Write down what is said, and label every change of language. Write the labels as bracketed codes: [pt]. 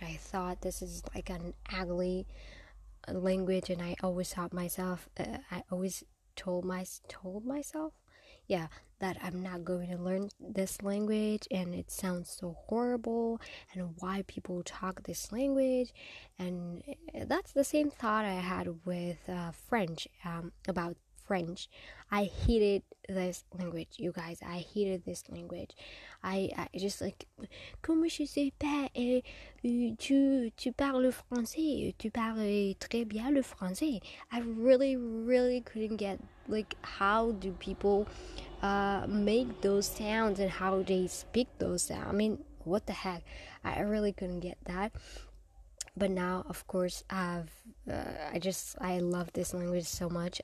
[en] I thought this is like an ugly language, and I always told myself, yeah, that I'm not going to learn this language, and it sounds so horrible, and why people talk this language, and that's the same thought I had with French, about French. I hated this language, you guys. I hated this language. I just like, [fr] comment je sais pas, tu parles français, tu parles très bien le français. [en] I really, really couldn't get, like, how do people make those sounds and how they speak those sounds. I mean, what the heck? I really couldn't get that. But now, of course, I love this language so much.